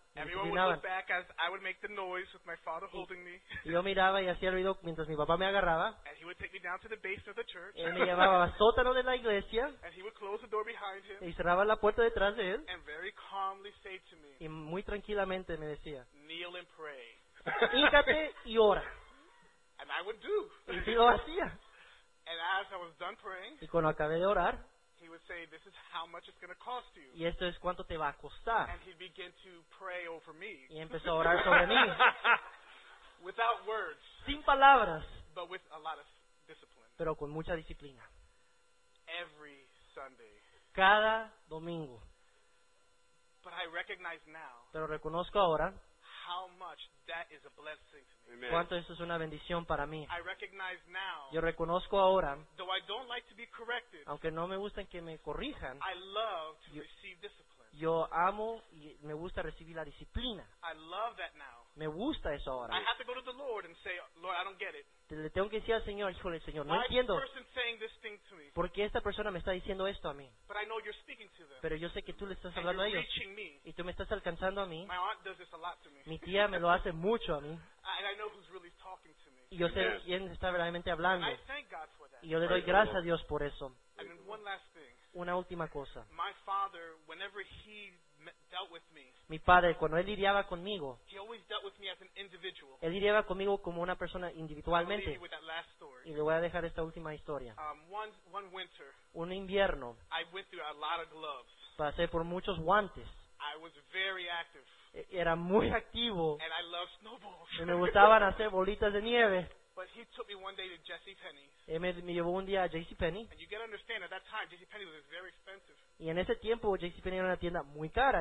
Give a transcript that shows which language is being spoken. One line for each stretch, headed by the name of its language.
English: Everyone would look back as I would make the noise with my father holding me.
Spanish: Yo miraba y hacía ruido mientras mi papá me agarraba.
English: And he would take me down to the base of the church.
Spanish: Él me llevaba al sótano de la iglesia.
English: And he would close the door behind him.
Spanish: Y cerraba la puerta detrás de él.
English: And very calmly say to me.
Spanish: Y muy tranquilamente me decía.
English: Kneel and pray.
Spanish: Híncate y ora.
English: And I would do.
Spanish: Y lo hacía.
English: And as I was done praying.
Spanish: Y cuando acabé de orar.
English: He would say, this is how much it's going to cost you.
Spanish: Y esto es cuánto te va a costar.
English: And he'd begin to pray over me.
Spanish: Y empezó a orar sobre mí.
English: Without words.
Spanish: Sin palabras.
English: But with a lot of discipline.
Spanish: Pero con mucha disciplina.
English: Every Sunday.
Spanish: Cada domingo.
English: But I recognize now.
Spanish: Pero reconozco ahora.
English: How much that is a blessing to me. Amen.
Spanish: Cuánto eso es una bendición para mí.
English: I recognize now,
Spanish: yo reconozco ahora,
English: though I don't like to be corrected,
Spanish: aunque no me gusten que me corrijan,
English: I love to receive discipline.
Spanish: Yo amo y me gusta recibir la disciplina.
English: I love that now.
Spanish: Me gusta eso ahora.
English: I have to go to the Lord and say, Lord, I don't get it.
Spanish: Le tengo que decir al Señor, híjole, Señor, no entiendo. ¿Por qué esta persona me está diciendo esto a mí?
English: But I know you're speaking to them.
Spanish: Pero yo sé que tú le estás
English: and
Spanish: hablando a ellos.
English: Me.
Spanish: Y tú me estás alcanzando a mí.
English: My aunt does this a lot to me.
Spanish: Mi tía me lo hace mucho a mí.
English: And I know who's really talking to me.
Spanish: Y yo sé quién está verdaderamente hablando.
English: I thank God for that.
Spanish: Y yo le doy gracias a Dios por eso.
English: And then one last thing.
Spanish: Una última cosa.
English: My father, whenever he dealt with me,
Spanish: mi padre, cuando él lidiaba conmigo,
English: he always dealt with me as an individual.
Spanish: Él lidiaba conmigo como una persona individualmente.
English: I'll leave you with that last story.
Spanish: Y le voy a dejar esta última historia.
English: One winter,
Spanish: un invierno,
English: I went through a lot of gloves.
Spanish: Pasé por muchos guantes.
English: I was very active.
Spanish: Era muy activo.
English: And I loved snowballs.
Spanish: Y me gustaban hacer bolitas de nieve.
English: But he took me one day to Jesse Penney.
Spanish: Me llevó un día a JC Penney.
English: And you got to understand, at that time, JC Penney was very expensive.
Spanish: Y en ese tiempo, JC Penney era una tienda muy cara.